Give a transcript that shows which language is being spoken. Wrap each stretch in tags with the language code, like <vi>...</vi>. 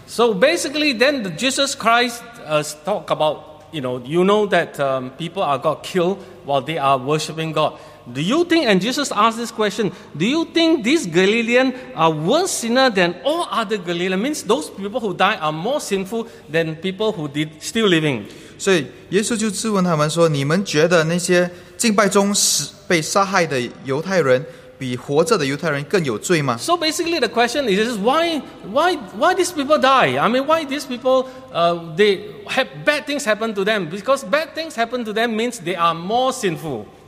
<en>So basically, then Jesus Christ talk about, you know that people are got killed while they are worshiping God. Do you think, and Jesus asked this question, do you think these Galileans are worse sinner than all other Galileans? Means those people who die are more sinful than people who did still living.</en> <zh>所以耶稣就质问他们说，你们觉得那些敬拜中被杀害的犹太人 比活着的犹太人更有罪吗？</zh> <en>So basically, the question is why these people die? I mean, why these people they have bad things happen to them? Because bad things happen to them means they are more sinful.</en>